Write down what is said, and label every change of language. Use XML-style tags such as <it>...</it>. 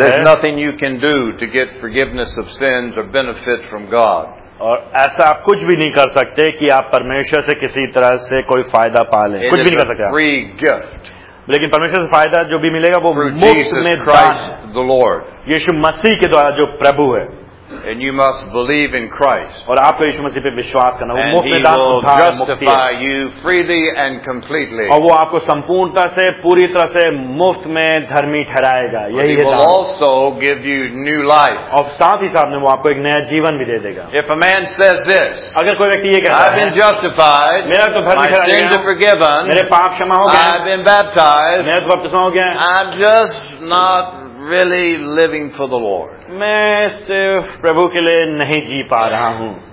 <en>There's nothing you can do to get forgiveness of sins or benefit from God.</en> <hi>और ऐसा आप कुछ भी नहीं कर सकते कि आप परमेश्वर से किसी तरह से कोई फायदा पा लें. कुछ भी नहीं कर सकते.</hi> <en>Free gift.</en> <hi>लेकिन परमेश्वर से फायदा जो भी मिलेगा वो मुफ्त में</hi> <en>Christ the Lord.</en> <hi>यीशु मसीह के द्वारा जो प्रभु है.</hi> <en>And you must believe in Christ.</en> <hi>और आपको यीशु मसीह पे विश्वास करना. वो मुफ्त में दान होता है.</hi> <en>Justify you freely and completely.</en> <hi>और वो आपको संपूर्णता से पूरी तरह से मुफ्त में धर्मी ठहराएगा. यही है दान.</hi> <en>He will also give you new life.</en> <hi>और साथ ही साथ में वो आपको एक नया जीवन भी दे देगा.</hi> <en>If a man says this,</en> <hi>अगर कोई व्यक्ति ये कहता है,</hi> <en>I've been justified,</en> <hi>मेरा तो धर्मी ठहरा गया,</hi> <en>my sins are forgiven,</en> <hi>मेरे पाप क्षमा हो गए,</hi> <en>I've been baptized,</en> <hi>मैं तो बपतिस्मा हो गया,</hi> <en>I'm just not really living for the Lord.</en> <hi>मैं सिर्फ प्रभु के लिए नहीं जी पा रहा हूं.</hi>